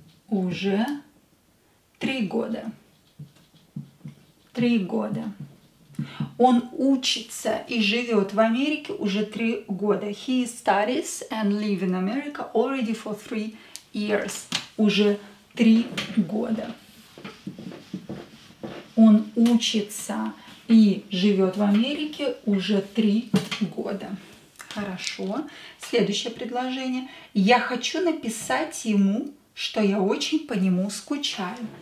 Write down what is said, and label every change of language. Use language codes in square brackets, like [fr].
[ru] Уже 3 года. 3 года. Он учится и живет в Америке уже 3 года. [en] He studies and lives in America already for 3 years. [ru] Уже 3 года. Он учится и живет в Америке уже 3 года. Хорошо. Следующее предложение. Я хочу написать ему, что я очень по нему скучаю.